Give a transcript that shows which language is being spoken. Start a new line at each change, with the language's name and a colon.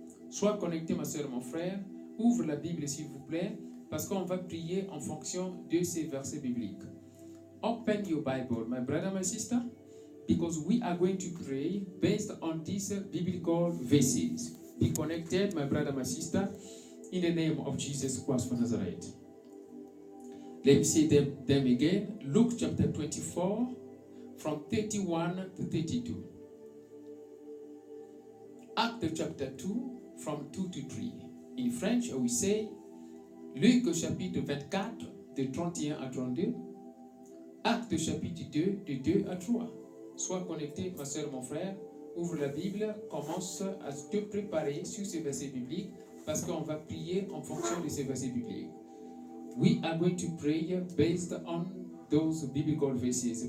French: Sois connecté, ma soeur, mon frère, ouvre la Bible, s'il vous plaît, parce qu'on va prier en fonction de ces versets bibliques.
English: Open your Bible, my brother, my sister. Because we are going to pray based on these biblical verses. Be connected, my brother, my sister, in the name of Jesus Christ of Nazareth. Let me see them again. Luke chapter 24, from 31 to 32. Acts chapter 2, from 2 to 3. In French, we say,
French: Luc chapitre 24, de 31 à 32. Acts chapitre 2, de 2 à 3. Sois connecté, ma soeur, mon frère. Ouvre la Bible. Commence à te préparer sur ces versets bibliques parce qu'on va prier en fonction de ces versets bibliques.
English: We are going to pray based on those biblical verses.